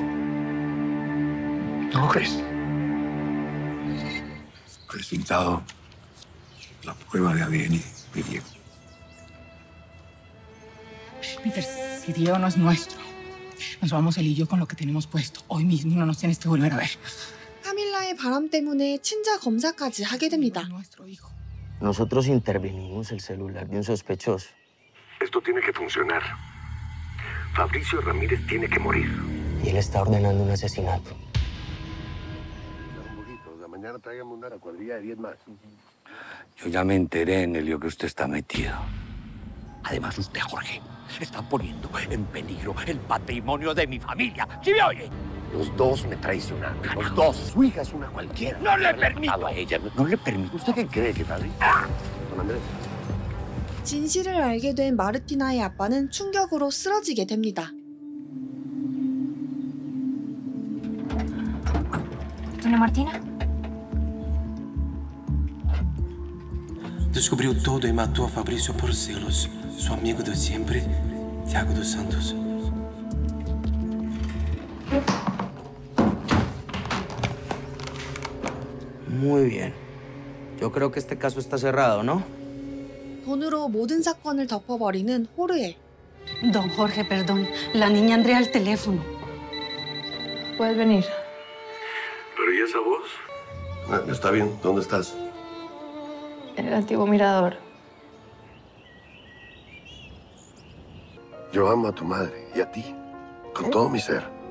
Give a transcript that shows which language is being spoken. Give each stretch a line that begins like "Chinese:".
Spanish: ¿No lo crees? Presentado la prueba de ADN de Diego. Peter, si Diego no es nuestro, nos vamos él y yo con lo que tenemos puesto. Hoy mismo no nos tienes que volver a ver.
Korean: Camila의 바람 때문에 친자 검사까지 하게 됩니다.
Spanish: Nosotros intervenimos el celular de un sospechoso. Esto tiene que funcionar. Fabricio Ramírez tiene que morir. Y él está ordenando un asesinato. Un poquito, de mañana tráigame una cuadrilla de 10 más. Yo ya me enteré en el lío que usted está metido. Además, usted, Jorge, está poniendo en peligro el patrimonio de mi familia. ¿Sí me oye? Los dos me traicionaron. Carajo. Los dos. Su hija es una cualquiera. No le permito a ella. No le permito. ¿Usted qué cree que tal? Don Andrés.
Korean: 진실을 알게 된 마르티나의 아빠는 충격으로 쓰러지게 됩니다. 도나 마르티나?
Spanish: Descubrió todo y mató a Fabricio por celos. Su amigo de siempre, Thiago dos Santos. Muy bien. Yo creo que este caso está cerrado, ¿no?
Korean: 돈으로 모든 사건을 덮어버리는 호르에.
Spanish: Don Jorge, perdón. La niña Andrea al teléfono. Puedes venir. ¿Pero y esa voz? Ah, está bien. ¿Dónde estás? En el antiguo mirador. Yo amo a tu madre y a ti. Con todo mi ser.